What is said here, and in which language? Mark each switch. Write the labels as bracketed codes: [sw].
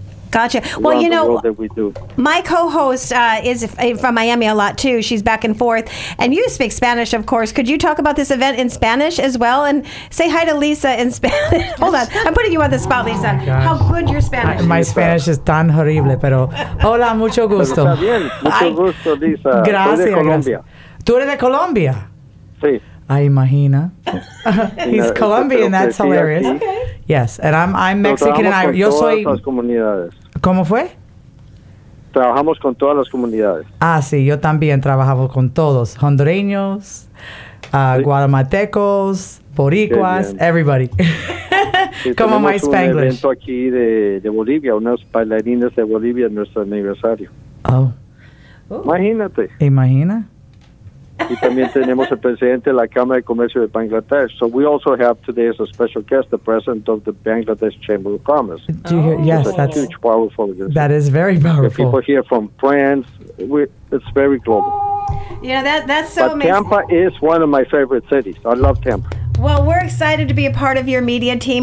[en] Gotcha. Well, you know, my co-host is from Miami a lot, too. She's back and forth. And you speak Spanish, of course. Could you talk about this event in Spanish as well? And say hi to Lisa in Spanish. Hold on. I'm putting you on the spot, Lisa. Oh, how good your Spanish is. My Spanish is [es] tan [en] horrible, [es] pero hola, mucho gusto. Mucho gusto, Lisa. Gracias. Soy de Colombia. ¿Tú eres de Colombia? Sí. [en] I [es] imagina. [en] He's Colombian. That's hilarious. Okay. Yes, and I'm Mexican. And [es] yo soy. Todas las comunidades. ¿Cómo fue? Trabajamos con todas las comunidades. Ah, sí. Yo también trabajaba con todos. Hondureños, guatemaltecos, boricuas, [en] everybody. [es] Sí, como [en] my Spanglish. [es] Tenemos un evento aquí de Bolivia. Unas bailarinas de Bolivia en nuestro aniversario. Oh. Imagínate. Imagina. Y también tenemos el presidente de la Cámara de Comercio de Bangladesh. [en] So we also have today as a special guest the president of the Bangladesh Chamber of Commerce. Do you hear? Yes, that's huge, powerful. That is very powerful. The people here from France, it's very global. Yeah, that's so but amazing. Tampa is one of my favorite cities. I love Tampa. Well, we're excited to be a part of your media team,